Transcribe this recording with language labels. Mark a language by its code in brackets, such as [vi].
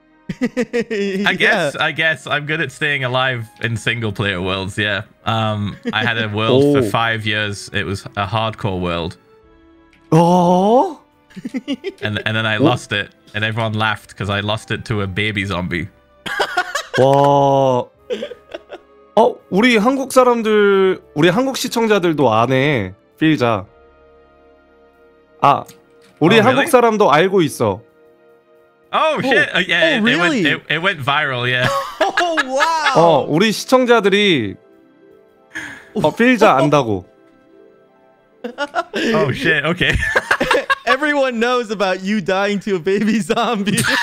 [en] I guess I'm good at staying alive in single player worlds, yeah. I had a world for 5 years. It was a hardcore world. Oh. And then I lost it and everyone laughed because I lost it to a baby zombie. Whoa. [ko] Oh, 우리 한국 사람들, 우리 한국 시청자들도 아네. 필자. 아, 우리 한국 사람도 알고 있어. [en] Oh shit! Oh, yeah, oh, really? It went viral. Yeah. Oh wow! [ko] 우리 시청자들이 필자 안다고. [en] Oh shit! Okay. Everyone knows about you dying to a baby zombie.